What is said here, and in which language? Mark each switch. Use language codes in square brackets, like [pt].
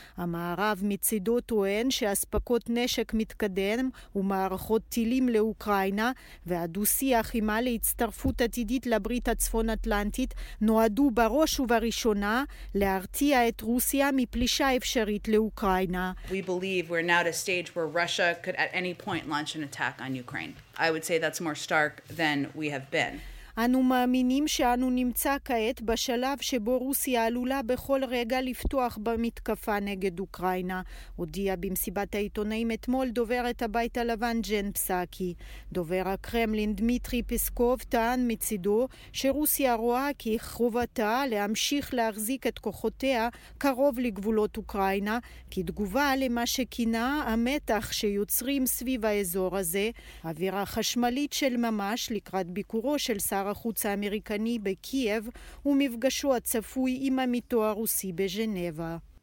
[he] המערב מצידו טוען שהספקות נשק מתקדם ומערכות טילים לאוקראינה, והדו-שיח עם להצטרפות עתידית לברית הצפון אטלנטית נועדו בראש ובראשונה להרתיע את רוסיה מפלישה אפשרית לאוקראינה. [en] We believe we're now at a stage where Russia could at any point launch an attack on Ukraine. I would say that's more stark than we have been. [he] אנו מאמינים שאנו נמצא כעת בשלב שבו רוסיה עלולה בכל רגע לפתוח במתקפה נגד אוקראינה, הודיע במסיבת העיתונאים אתמול דוברת הבית הלבן ג'ן פסאקי. דובר הקרמלין דמיטרי פסקוב טען מצידו שרוסיה רואה כי חובתה להמשיך להחזיק את כוחותיה קרוב לגבולות אוקראינה, כתגובה למה שכינה המתח שיוצרים סביב האזור הזה, אווירה חשמלית של ממש לקראת ביקורו של שר החוץ האמריקני בקייב ומפגשו הצפוי עם עמיתו הרוסי בז'נבה.